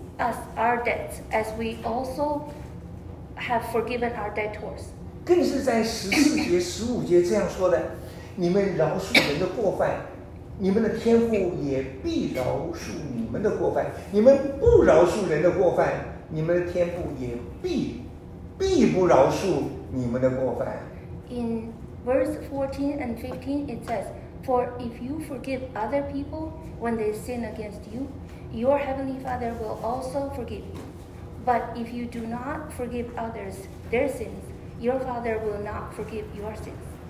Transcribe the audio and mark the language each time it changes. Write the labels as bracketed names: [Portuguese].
[English] As our debts, as we also have forgiven our debtors. [Chinese] 更是在十四节、十五节这样说的：你们饶恕人的过犯，你们的天父也必饶恕你们的过犯；你们不饶恕人的过犯，你们的天父也必不饶恕你们的过犯。 [English] In verse 14 and 15, it says, "For if you forgive other people when they sin against you," Your heavenly Father will also forgive you. But if you do not forgive others their sins, your Father will not forgive your sins.